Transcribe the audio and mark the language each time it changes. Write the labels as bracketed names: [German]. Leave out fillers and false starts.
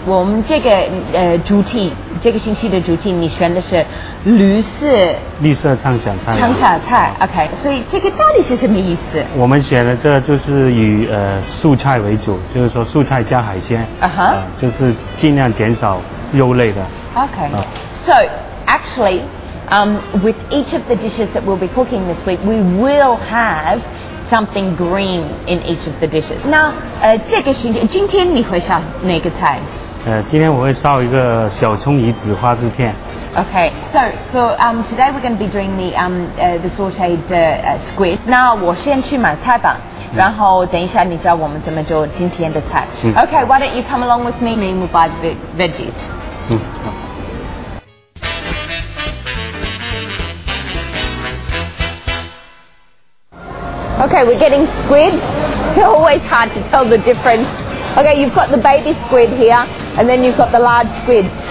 [Chinese] 我们这个主题，这个星期的主题，你选的是绿色。绿色畅想菜。畅想菜 ，OK。所以这个到底是什么意思？我们选的这就是以素菜为主，就是说素菜加海鲜。就是尽量减少肉类的。 OK。 [English] So actually, with each of the dishes that we'll be cooking this week, we will have. Something green in each of the dishes. [Chinese] 那这个星期今天你会烧哪个菜？今天我会烧一个小葱鱼子花枝片。 [English] Okay, so for today we're going to be doing the sauteed squid. [Chinese] 那我先去买菜吧，然后等一下你教我们怎么做今天的菜。 [English] Okay, why don't you come along with me? Me, we'll buy the veggies. 。Okay, we're getting squid. It's always hard to tell the difference. Okay, you've got the baby squid here, and then you've got the large squid.